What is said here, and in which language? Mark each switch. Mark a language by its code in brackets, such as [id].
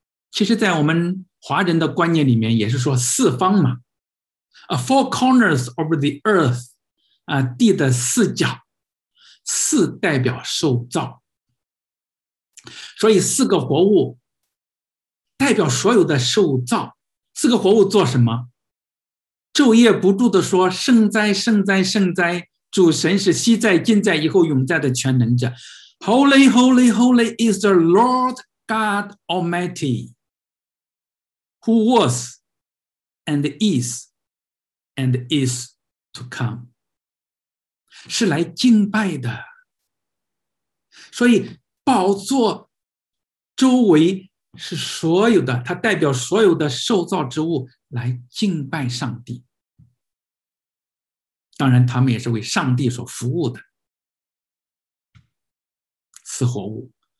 [zh] 其实在我们华人的观念里面也是说四方嘛， [en] Four corners of the earth， [zh] 地的四角，四代表受造。所以四个活物代表所有的受造。四个活物做什么？昼夜不住地说圣哉圣哉圣哉，主神是昔在今在以后永在的全能者。 [en] Holy holy holy is the Lord God Almighty who was and is to come， [zh] 是来敬拜的。所以宝座周围是所有的，它代表所有的受造之物来敬拜上帝。当然他们也是为上帝所服务的四活物。